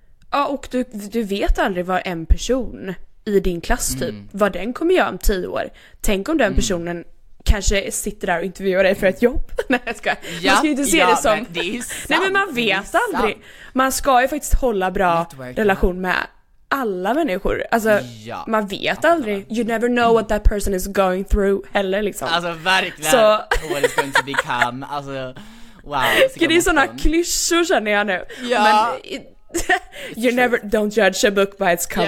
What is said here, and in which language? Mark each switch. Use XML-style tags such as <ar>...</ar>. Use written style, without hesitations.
<sv>Ja, och du vet aldrig vad en person i din klass typ vad den kommer göra om 10 år. Tänk om den personen kanske sitter där och intervjuar dig för ett jobb. Nej, jag ska. Ja, man ska ju inte se det som. Men det är sant. Nej, men man vet aldrig. Man ska ju faktiskt hålla bra relation med alla människor. Alltså man vet aldrig.</sv> <en>You never know what that person is going through</en> <sv>heller liksom. Alltså verkligen.</sv> <en>So what is going to become.</en> <sv>Alltså wow. Det är sådana klyschor känner jag nu. Ja. Men,</sv> <en>you never don't judge a book by its cover.</en>